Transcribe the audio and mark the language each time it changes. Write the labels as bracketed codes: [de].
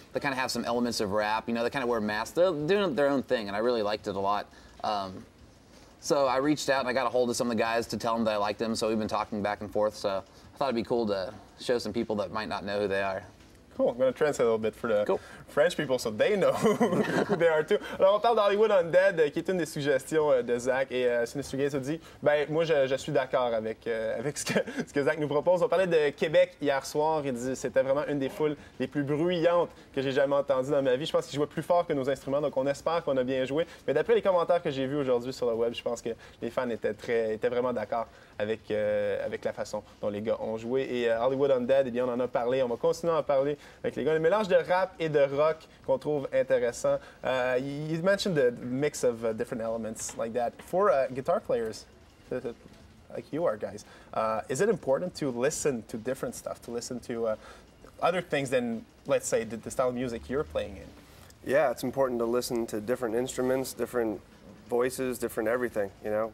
[en] They kind of have some elements of rap. You know, they kind of wear masks. They're doing their own thing, and I really liked it a lot. So I reached out, and I got a hold of some of the guys to tell them that I liked them. So we've been talking back and forth. So I thought it'd be cool to show some people that might not know who they are. Cool. I'm going to translate a little bit for the French people so they know who they are, too. [fr] Alors, on parle d'Hollywood Undead, qui est une des suggestions de Zach. Et Synyster Gates a dit, moi, je suis d'accord avec ce que Zach nous propose. On parlait de Québec hier soir. Il dit, c'était vraiment une des foules les plus bruyantes que j'ai jamais entendues dans ma vie. Je pense qu'ils jouaient plus fort que nos instruments, donc on espère qu'on a bien joué. Mais d'après les commentaires que j'ai vus aujourd'hui sur le web, je pense que les fans étaient vraiment d'accord avec la façon dont les gars ont joué. Et Hollywood Undead, eh bien, on en a parlé, on va continuer à en parler avec les gars. Le mélange de rap et de rock qu'on trouve intéressant. [en] You mentioned the mix of different elements like that. For guitar players, like you are, guys, is it important to listen to different stuff, to listen to other things than, let's say, the style of music you're playing in? Yeah, it's important to listen to different instruments, different voices, different everything, you know?